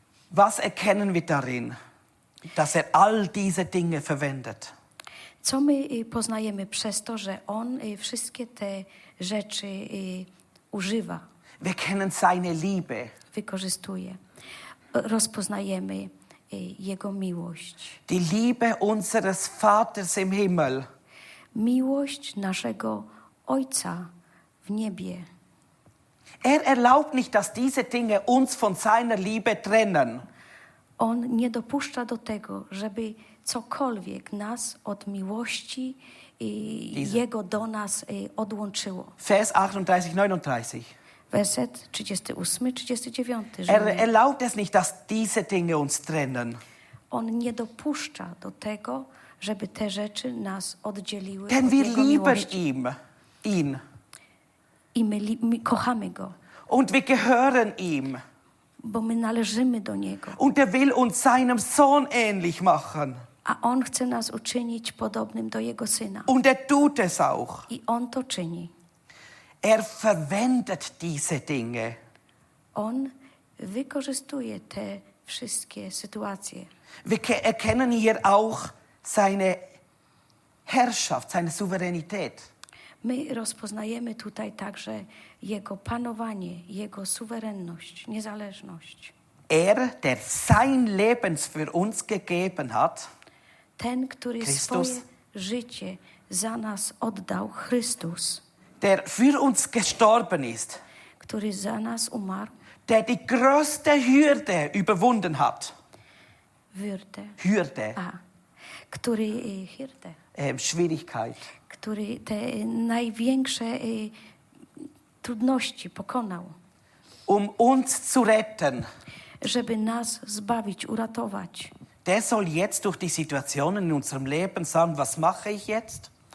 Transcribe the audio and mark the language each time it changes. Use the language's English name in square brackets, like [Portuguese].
[German] Was erkennen wir darin, dass all diese Dinge verwendet? [Polish] Co my poznajemy przez to, że on wszystkie te rzeczy używa? [German] Wir kennen seine Liebe. [Polish] Wykorzystuje. Rozpoznajemy jego miłość. [German] Die Liebe unseres Vaters im Himmel. [Polish] Miłość naszego Ojca w niebie. [German] Erlaubt nicht, dass diese Dinge uns von seiner Liebe trennen. [Polish] On nie dopuszcza do tego, żeby cokolwiek nas od miłości i Jego do nas odłączyło. [German] Vers 38, 39. [Polish] Werset 38, 39. [German] Er erlaubt es nicht, dass diese Dinge uns trennen. [Polish] On nie dopuszcza do tego, żeby te rzeczy nas oddzieliły [German] Denn [Polish] od [German] wir [Polish] Jego [German] lieben [Polish] miłości. [German] Ihm, ihn. [Polish] I my, my kochamy Go. [German] Und wir gehören ihm. [Polish] Bo my należymy do Niego. [German] Und er will uns seinem Sohn ähnlich machen. [Polish] A On chce nas uczynić podobnym do Jego Syna. [German] Und er tut es auch. [Polish] I On to czyni. [German] Er verwendet diese Dinge. [Polish] On wykorzystuje te wszystkie sytuacje. [German] Wir erkennen hier auch seine Herrschaft, seine Souveränität. [Polish] My rozpoznajemy tutaj także Jego panowanie, Jego suwerenność, niezależność. [German] Er, der sein Leben für uns gegeben hat, [Polish] Ten, który Christus, swoje życie za nas oddał, Chrystus, [German] der für uns gestorben ist, [Polish] który za nas umarł, [German] der die größte Hürde überwunden hat, Hürde, [Polish] który Hürde, [German] Schwierigkeit, [Polish] który te największe trudności pokonał, [German] um uns zu retten, [Polish] żeby nas zbawić, uratować. [German] Der soll jetzt durch die Situationen in unserem Leben sagen, was mache ich jetzt?